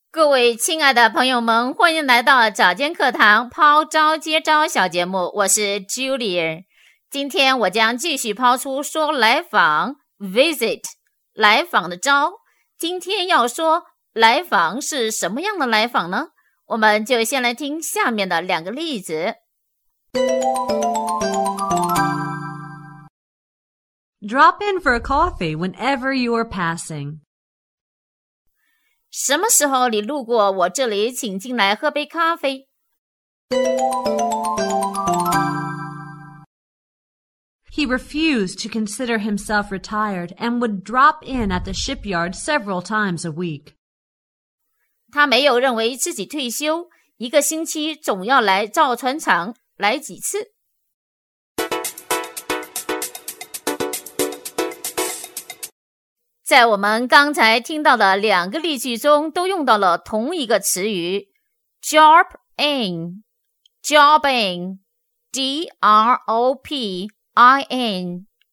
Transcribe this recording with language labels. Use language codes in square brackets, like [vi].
[zh] 位亲爱的朋友们，欢迎来到早间课堂抛招接招小节目，我是 Julia。今天我将继续抛出说来访 visit 来访的招。今天要说来访是什么样的来访呢？我们就先来听下面的两个例子。 [en] Drop in for a coffee whenever you are passing. [zh] 什么时候你路过我这里，请进来喝杯咖啡。 [en] He refused to consider himself retired and would drop in at the shipyard several times a week. [zh] 他没有认为自己退休，一个星期总要来造船厂来几次。在我们刚才听到的两个例句中，都用到了同一个词语 drop in, drop in, D-R-O-P-I-N.